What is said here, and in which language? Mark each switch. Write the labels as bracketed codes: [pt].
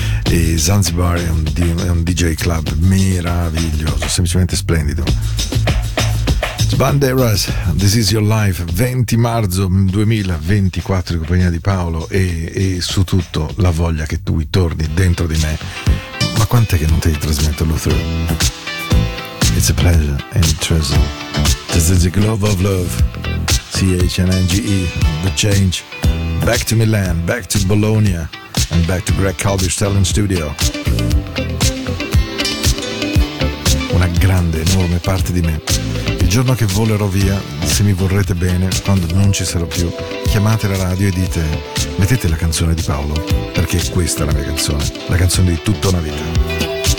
[it] E Zanzibar è un DJ club meraviglioso, semplicemente splendido. Banderas, This Is Your Life, 20 marzo 2024, in compagnia di Paolo, e su tutto la voglia che tu torni dentro di me. Ma quant'è che non te li trasmetto, Luther? [en] It's a pleasure and treasure. This is the globe of love. CHNNGE, the change. Back to Milan, back to Bologna, and back to Greg Calder's Talent Studio. [it] Una grande, enorme parte di me. Il giorno che volerò via, se mi vorrete bene, quando non ci sarò più, chiamate la radio e dite: mettete la canzone di Paolo, perché questa è la mia canzone, la canzone di tutta una vita.